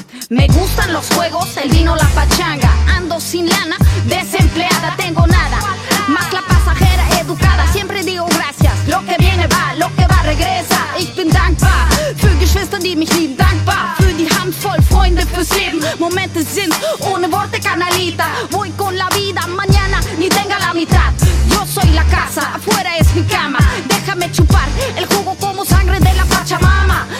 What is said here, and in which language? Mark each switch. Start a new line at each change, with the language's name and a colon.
Spanish: Me gustan los juegos, el vino, la pachanga. Ando sin lana, desempleada, tengo nada. Más la pasajera educada, siempre digo gracias. Lo que viene va, lo que va regresa.
German: Ich bin dankbar für Geschwister, die mich lieben. Dankbar für die Handvoll Freunde fürs Leben. Momente sind ohne Worte, canalita.
Spanish: Voy con la vida, mañana ni tenga la mitad. Yo soy la casa, afuera es mi cama. Déjame chupar el jugo como sangre de la Pachamama.